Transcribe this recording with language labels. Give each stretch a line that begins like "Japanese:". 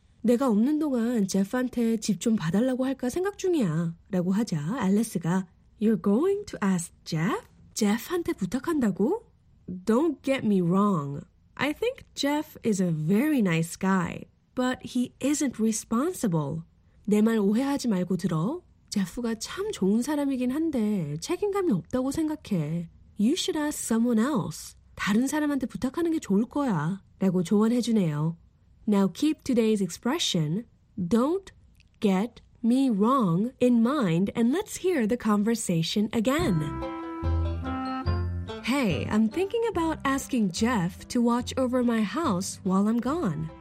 Korean: 내가 없는 동안 제프한테 집 좀 봐달라고 할까 생각 중이야 라고 하자 앨리스가
English: You're going to ask Jeff?
Korean: 제프한테 부탁한다고?
English: Don't get me wrong. I think Jeff is a very nice guy, but he isn't responsible.
Korean: 내 말 오해하지 말고 들어. 제프가 참 좋은 사람이긴 한데 책임감이 없다고 생각해.
English: You should ask someone else.
Korean: 다른 사람한테 부탁하는 게 좋을 거야. 라고 조언해주네요.
English: Now keep today's expression, don't get me wrong, in mind, and let's hear the conversation again. Hey, I'm thinking about asking Jeff to watch over my house while I'm gone.